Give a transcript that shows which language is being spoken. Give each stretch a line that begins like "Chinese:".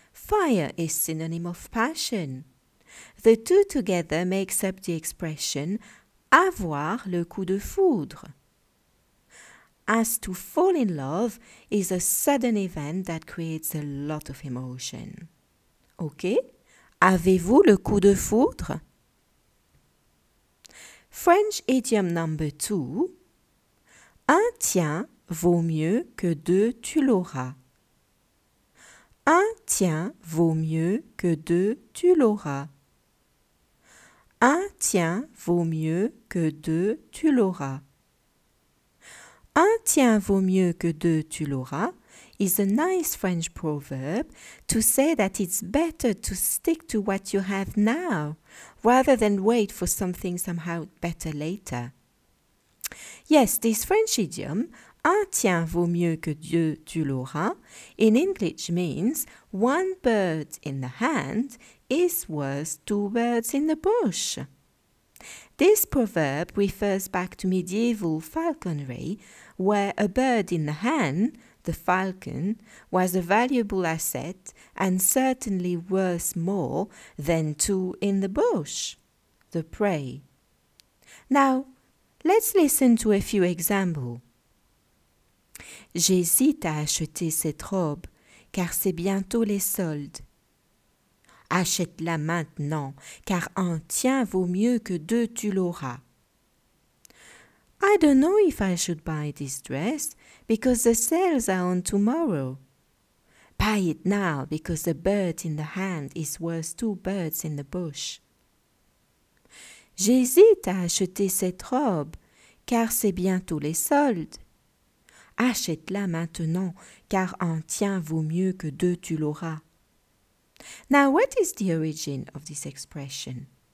English: Fire is synonym of passion. The two together makes up the expression
French: avoir le coup de foudre.
English: As to fall in love is a sudden event that creates a lot of emotion. Ok?
French: Avez-vous le coup de foudre?
English: French idiom number 2.
French: Un tien vaut mieux que deux tu l'auras. Un tien vaut mieux que deux tu l'auras. Un tien vaut mieux que deux, tu l'auras. Un tien vaut mieux que deux, tu l'auras
English: is a nice French proverb to say that it's better to stick to what you have now rather than wait for something somehow better later. Yes, this French idiom,
French: un tien vaut mieux que deux, tu l'auras,
English: in English means one bird in the hand is worth two birds in the bush. This proverb refers back to medieval falconry, where a bird in the hand, the falcon, was a valuable asset and certainly worth more than two in the bush, the prey. Now, let's listen to a few examples.
French: J'hésite à acheter cette robe, car c'est bientôt les soldes. Achète-la maintenant, car un tien vaut mieux que deux tu l'auras.
English: I don't know if I should buy this dress, because the sales are on tomorrow. Buy it now, because the bird in the hand is worth two birds in the bush.
French: J'hésite à acheter cette robe, car c'est bientôt les soldes. Achète-la maintenant, car un tien vaut mieux que deux tu l'auras.
English: Now, what is the origin of this expression?